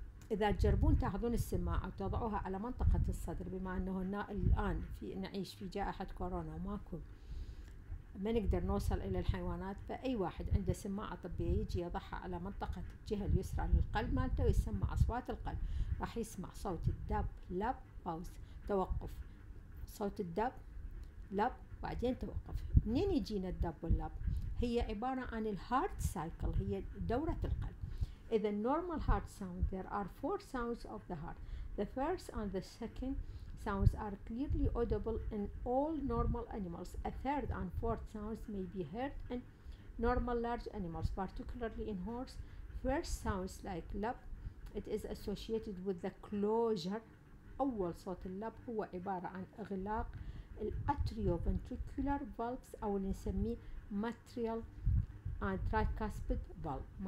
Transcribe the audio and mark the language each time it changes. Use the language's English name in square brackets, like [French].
[Arabic] إذا تجربون تأخذون السماعة وتضعوها على منطقة الصدر، بما أنه الآن في نعيش في جائحة كورونا وماكو ما نقدر نوصل إلى الحيوانات، فأي واحد عنده سماعة طبية يجي يضعها على منطقة الجهة اليسرى للقلب مالته ويسمع أصوات القلب، راح يسمع صوت الدب لب باوس توقف، صوت الدب لب بعدين توقف. منين يجينا الدب واللب؟ هي عبارة عن الهارت سايكل، هي دورة القلب. [English] إذا normal heart sound there are four sounds of the heart. The first and the second sounds are clearly audible in all normal animals. A third and fourth sounds may be heard in normal large animals, particularly in horse. First sounds like lab, it is associated with the closure. [Arabic] أول صوت اللب هو عبارة عن إغلاق الأتريوفنتركولار valves أو اللي نسميه [English] material and tricuspid valve.